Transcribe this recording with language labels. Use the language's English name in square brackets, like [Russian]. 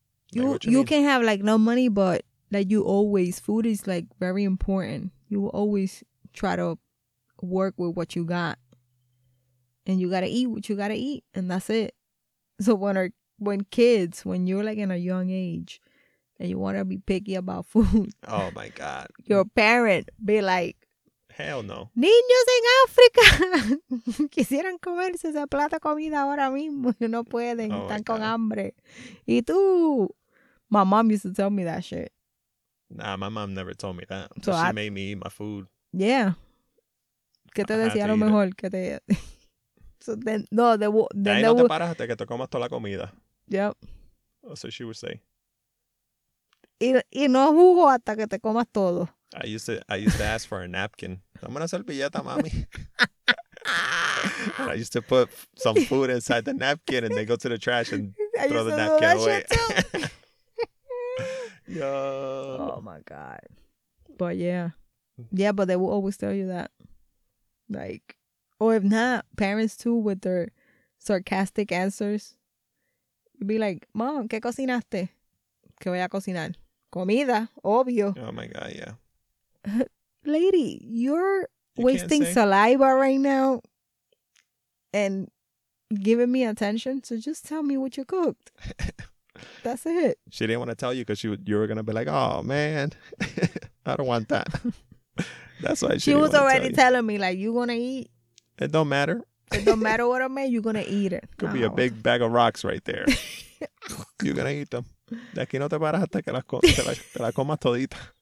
[English] You can have like no money, but like you always, food is like very important. You will always try to work with what you got, and you gotta eat what you gotta eat, and that's it. So when you're like in a young age, and you wanna be picky about food, oh my God, your parent be like, hell no, [Spanish] niños en África quisieran comerse esa plata comida ahora mismo, no pueden, oh están con hambre, y tú. [English] My mom used to tell me that shit. Nah, my mom never told me that. So she made me eat my food. Yeah. [Spanish] ¿Qué te decía lo mejor? Que te... [English] So then, no, they will... [Spanish] De ahí no te paras hasta que te comas toda la comida. [English] Yep. That's what she would say. [Spanish] Y no jugo hasta que te comas todo. [English] I used to ask for a napkin. [Spanish] Dame una servilleta, mami. [English] I used to put some food inside the napkin and then go to the trash and throw the napkin away. Yo. Oh my God. But yeah, but they will always tell you that, like, or if not, parents too, with their sarcastic answers, be like, mom, [Spanish] ¿qué cocinaste? ¿Qué voy a cocinar? Comida, obvio. [English] Oh my God, yeah. Lady, you're wasting saliva right now, and giving me attention. So just tell me what you cooked. That's it. She didn't want to tell you because you were going to be like, oh, man, I don't want that. That's why she was already telling me, like, you're going to eat. It don't matter. It don't matter what I made. You're going to eat it. Could be a big bag of rocks right there. You're going to eat them. [Spanish] De aquí no te paras hasta que te la comas todita.